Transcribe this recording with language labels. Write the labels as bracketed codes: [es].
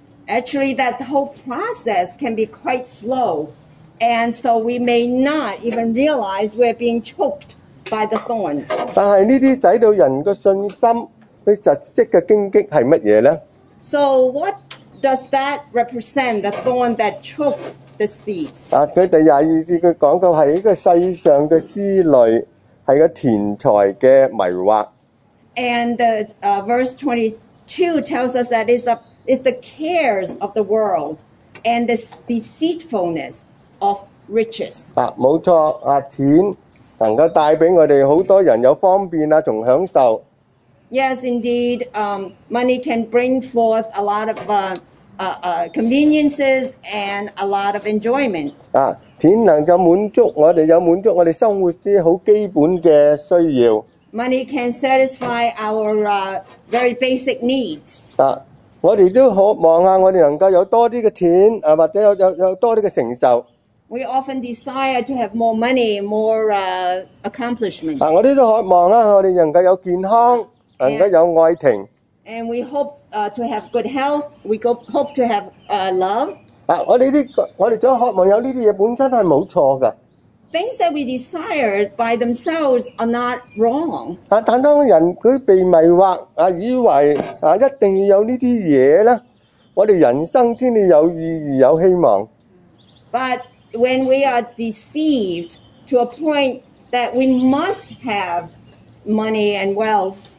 [en] Actually, that whole process can be quite slow, and so we may not even realize we're being choked by the thorns. [yue] 但係呢啲使到人個信心去窒息嘅荊棘係乜嘢咧 [en] ？So what? Does that represent the thorn that chokes the seeds? [yue] 佢第廿二節佢講到係一個世上嘅思慮，係個錢財嘅迷惑。 [en] And verse 22 tells us that it's the cares of the world and the deceitfulness of riches. [yue] 冇錯，錢能夠帶俾我哋好多人有方便同享受。 [en] Yes, indeed. Money can bring forth a lot of conveniences and a lot of enjoyment. [yue] 钱能够满足我哋生活啲好基本嘅需要。 [en] Money can satisfy our very basic needs. [yue] 我哋都渴望我哋能够有多啲嘅钱，或者有多啲嘅成就。 [en] We often desire to have more money, more accomplishment. [yue] 我哋都渴望我哋能够有健康。 [en] And we hope to have good health. We hope to have love. [yue] 我哋想渴望有呢啲嘢本身系冇错噶。 [en] Things that we desire by themselves are not wrong. [yue] 但当人佢被迷惑以为一定要有呢啲嘢咧，我哋人生先至有意义有希望。 [en] But when we are deceived to a point that we must have money and wealth.